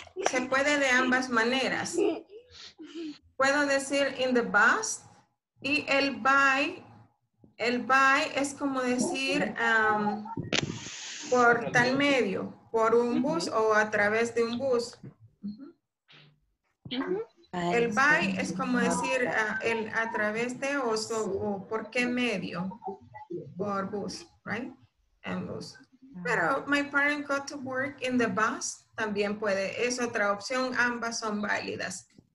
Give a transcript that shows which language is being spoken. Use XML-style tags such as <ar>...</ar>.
<es>Se puede de ambas maneras. Puedo decir</es> <en>in the bus</en> <es>y el by es como decir por tal medio, por un bus o a través de un bus. El by es como decir el a través de oso, o por qué medio, por bus, right? En bus. Pero</es> <en>my parents got to work in the bus.</en> <es>También puede, es otra opción, ambas son válidas.</es>